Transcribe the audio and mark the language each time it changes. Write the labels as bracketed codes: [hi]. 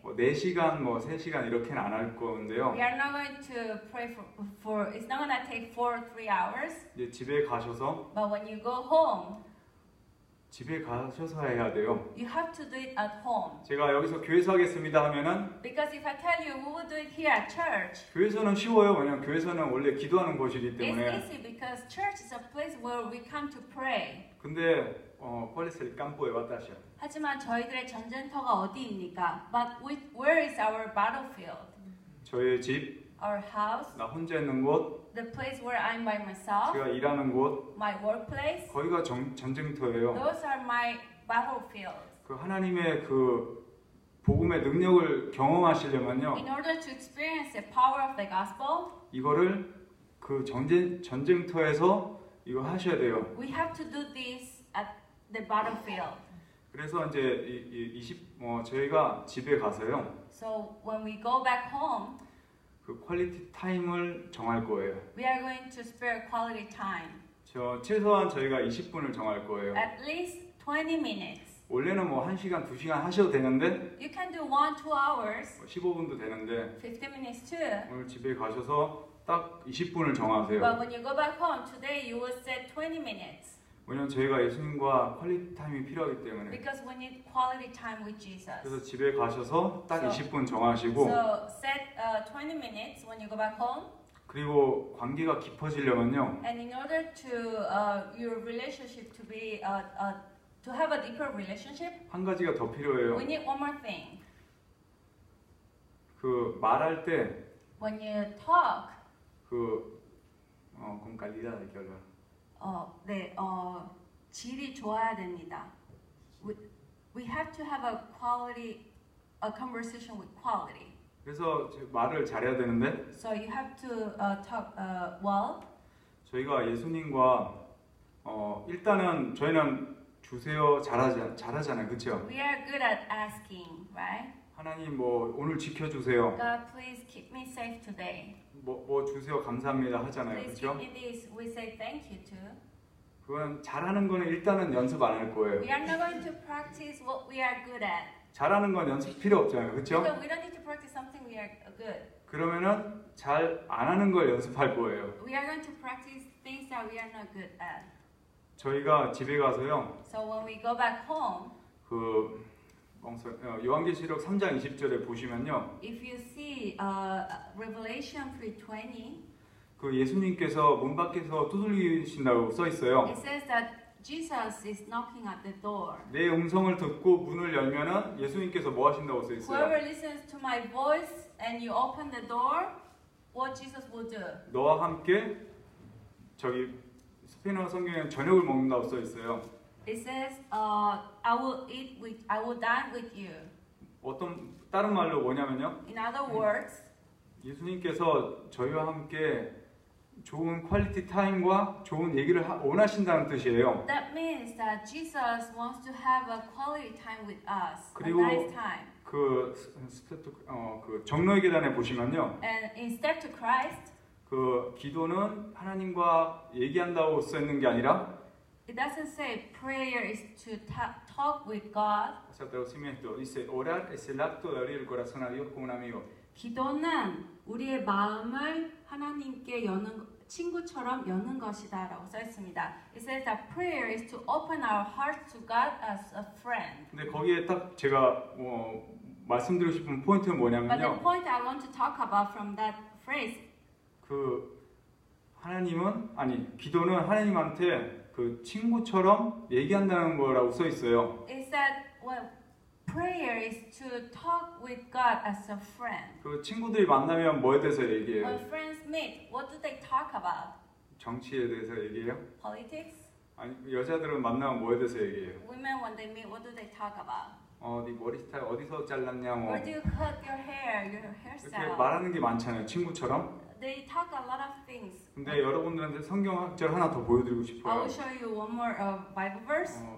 [ko] 뭐 4시간, 뭐 3시간 이렇게는 안 할 건데요. [en] We are not going to pray for. It's not going to take 4 or 3 hours. [ko] 이제 집에 가셔서. [en] But when you go home. [ko] 집에 가셔서 해야 돼요. [en] You have to do it at home. [ko] 제가 여기서 교회에서 하겠습니다 하면은 [en] Because if I tell you, we will do it here at church. [ko] 교회에서는 쉬워요. 왜냐면 교회에서는 원래 기도하는 곳이기 때문에. [en] It's easy because church is a place where we come to pray. [es] 근데 ¿cuál es el campo de batalla? [ko] 하지만 저희들의 전쟁터가 어디입니까? [en] But where is our battlefield? [ko] 저희 집. [en] Our house. [ko] 나 혼자 있는 곳. [en] The place where I'm by myself. [ko] 제가 일하는 곳. [en] My workplace. [ko] 거기가 전쟁터예요. [en] Those are my battlefields. [ko] 그 하나님의 그 복음의 능력을 경험하시려면요. [en] In order to experience the power of the gospel. [ko] 이거를 그 전쟁터에서 이거 하셔야 돼요. [en] We have to do this at the battlefield. [ko] 그래서 이제 저희가 집에 가서요. [en] So when we go back home. [ko] 그 퀄리티 타임을 정할 거예요. [en] We are going to spare quality time. [ko] 저 최소한 저희가 20분을 정할 거예요. [en] At least 20 minutes. [ko] 원래는 뭐 1시간, 2시간 하셔도 되는데 [en] You can do 1, 2 hours. [ko] 15분도 되는데 [en] 50 minutes too. [ko] 오늘 집에 가셔서 딱 20분을 정하세요. [en] But when you go back home today you will set 20 minutes. [ko] 왜냐면 저희가 예수님과 퀄리티 타임이 필요하기 때문에 [en] Because we need quality time with Jesus. [ko] 그래서 집에 가셔서 딱 20분 정하시고 [en] So set 20 minutes when you go back home. [ko] 그리고 관계가 깊어지려면요 [en] And in order to your relationship to be to have a deeper relationship [ko] 한 가지가 더 필요해요 [en] We need one more thing. [ko] 그 말할 때 [en] When you talk [es] 그 con calidad de que hablar [ko] 질이 좋아야 됩니다. [en] We have to have a quality, a conversation with quality. [ko] 그래서 말을 잘해야 되는데. [en] So you have to talk well. [ko] 저희가 예수님과 일단은 저희는 주세요 잘하잖아요, 그렇죠? [en] We are good at asking, right? [ko] 하나님 뭐 오늘 지켜주세요. [en] God, please keep me safe today. [ko] 뭐 주세요 감사합니다 하잖아요, 그렇죠? [en] Please keep me this. We say thank you too. [ko] 그건 잘하는 거는 일단은 연습 안 할 거예요. [en] We are not going to practice what we are good at. [ko] 잘하는 건 연습 필요 없잖아요, 그렇죠? [en] Because we don't need to practice something we are good. [ko] 그러면은 잘 안 하는 걸 연습할 거예요. [en] We are going to practice things that we are not good at. [ko] 저희가 집에 가서요. [en] So when we go back home. [ko] 그 요한계시록 3장 20절에 보시면요. [en] If you see Revelation 3:20. [ko] 그 예수님께서 문 밖에서 두들기신다고 써 있어요. [en] It says that Jesus is knocking at the door. [ko] 내 음성을 듣고 문을 열면은 예수님께서 뭐 하신다고 써 있어요. [en] Whoever listens to my voice and you open the door, what Jesus will do? [ko] 너와 함께 저기 스페인어 성경에 저녁을 먹는다고 써 있어요. [en] It says, I will eat with, I will dine with you. [ko] 어떤 다른 말로 뭐냐면요? [en] In other words, [ko] 예수님께서 저희와 함께 좋은 퀄리티 타임과 좋은 얘기를 원하신다는 뜻이에요. [en] That means that Jesus wants to have a quality time with us. [ko] 그리고 [en] a nice time. [ko] 그 정로의 계단에 보시면요. [en] And instead to Christ, [ko] 그 기도는 하나님과 얘기한다고 써 있는 게 아니라 [en] It doesn't say prayer is to talk with God. [es] O sea, traducimiento dice orar es el acto de abrir el corazón a Dios como un amigo. [ko] 기도는 우리의 마음을 하나님께 여는 친구처럼 여는 것이다라고 써 있습니다. [en] It says that prayer is to open our hearts to God as a friend. [ko] 근데 거기에 딱 제가 말씀드리고 싶은 포인트는 뭐냐면요. [en] But the point I want to talk about from that phrase. [ko] 그 하나님은 아니 기도는 하나님한테 그 친구처럼 얘기한다는 거라고 써 있어요. [en] It said, well, prayer is to talk with God as a friend. [ko] 그 친구들이 만나면 뭐에 대해서 얘기해요? [en] When friends meet, what do they talk about? [ko] 정치에 대해서 얘기해요? [en] Politics? [ko] 아니 여자들은 만나면 뭐에 대해서 얘기해요? [en] Women when they meet, what do they talk about? [ko] 네 머리 스타일 어디서 잘랐냐고. [en] Where do you cut your hair? Your hairstyle. [ko] 이렇게 말하는 게 많잖아요, 친구처럼. [en] They talk a lot of things. [ko] 근데 여러분들한테 성경 학절 하나 더 보여드리고 싶어요. [en] I will show you one more Bible verse.